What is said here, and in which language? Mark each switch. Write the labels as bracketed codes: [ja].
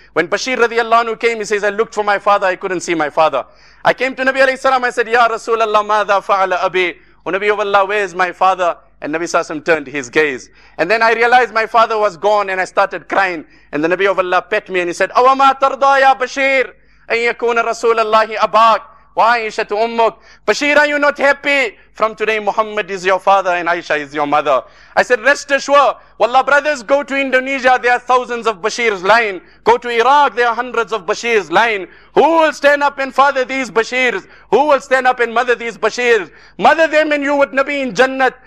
[en] When Bashir radiallahu anhu came, he says, I looked for my father, I couldn't see my father. I came to Nabi alayhi sallam, I said, Ya Rasulallah, [ar] madha fa'ala abi? [en] O Nabi of Allah, where is my father? And Nabi sallallahu alayhi wa sallam turned his gaze. And then I realized my father was gone and I started crying. And the Nabi of Allah pet me and he said, [ar] Awa ma tarda ya Bashir? أن يكون رسول الله أباك وعائشة أمك [en] Bashir, are you not happy? From today, Muhammad is your father and Aisha is your mother. I said, rest assured. Wallah, brothers, go to Indonesia, there are thousands of Bashir's line. Go to Iraq, there are hundreds of Bashir's line. Who will stand up and father these Bashirs? Who will stand up and mother these Bashirs? Mother them and you would Nabi in Jannat.